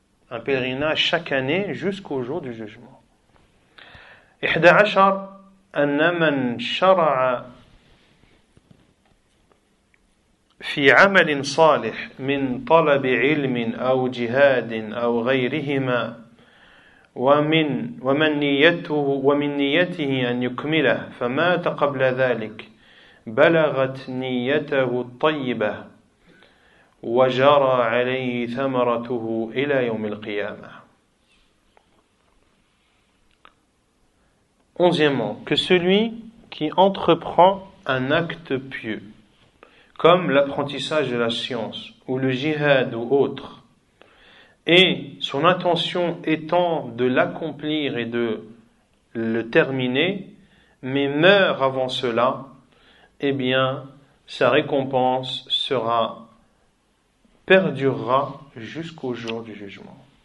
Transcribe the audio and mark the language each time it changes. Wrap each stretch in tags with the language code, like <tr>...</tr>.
<fr>Un pèlerinage chaque année jusqu'au jour du jugement.</fr> <ar>Ihda ashar anna man shara'a fi 'amalin salih min talabi 'ilmin aw jihadin aw ghayrihima ومن نيته أن يكمله فمات قبل ذلك بلغت نيته الطيبة وجرى عليه ثمرته إلى يوم القيامة.</ar> <fr>Onzièmement, que celui qui entreprend un acte pieux, comme l'apprentissage de la science ou le jihad ou autre, et son intention étant de l'accomplir et de le terminer, mais meurt avant cela, eh bien, sa récompense perdurera jusqu'au jour du jugement.</fr>